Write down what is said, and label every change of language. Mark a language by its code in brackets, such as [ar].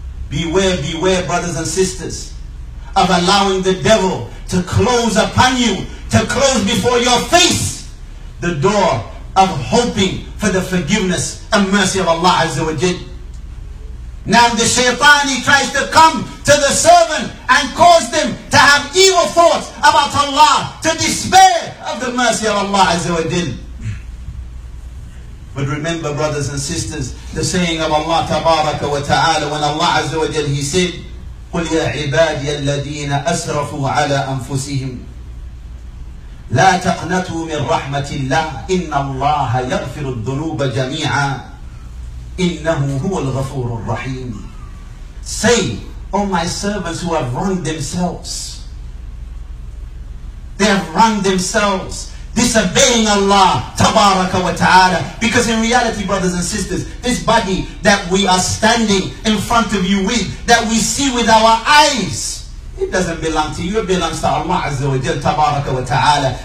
[en] Beware, beware, brothers and sisters, of allowing the devil to close upon you, to close before your face the door of hoping for the forgiveness and mercy of Allah Azza wa Jal. Now the shaytan, he tries to come to the servant and cause them to have evil thoughts about Allah, to despair of the mercy of Allah Azza wa Jal. But remember, brothers and sisters, the saying of Allah Tabaraka wa Ta'ala, when Allah Azza wa Jal, he said, [ar] قُلْ يَا عِبَادِيَ الَّذِينَ أَسْرَفُوا عَلَىٰ أَنفُسِهِمْ لَا تَقْنَتُوا مِنْ رَحْمَةِ اللَّهِ إِنَّ اللَّهَ يَغْفِرُ الذُّنُوبَ جَمِيعًا إِنَّهُ هُوَ الْغَفُورُ الرَّحِيمُ. [en] Say, O my servants who have wronged themselves, they have wronged themselves, disobeying Allah Tabaraka wa Ta'ala. Because in reality, brothers and sisters, this body that we are standing in front of you with, that we see with our eyes, it doesn't belong to you, it belongs to Allah Azza wa Jal Tabaraka wa Ta'ala.